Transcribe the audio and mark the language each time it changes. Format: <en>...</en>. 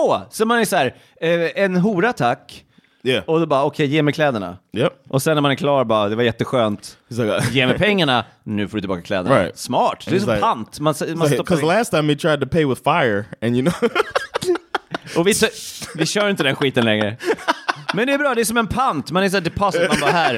<sv>Så man är så här, en hora tack.</sv> <en>Yeah.</en> <sv>Och då bara, okej, ge mig kläderna.</sv> <en>Yep.</en> <sv>Och sen när man är klar, bara, det var jätteskönt.</sv> <en>Like,</en> <sv>ge mig pengarna, nu får du tillbaka kläderna.</sv> <en>Right.</en> <sv>Smart, det är så like, pant.</sv> <en>Because last time he tried to pay with fire, and you know...</en> <sv>Och vi kör inte den skiten längre. Men det är bra, det är som en pant. Man är så här, deposit, man bara här.</sv>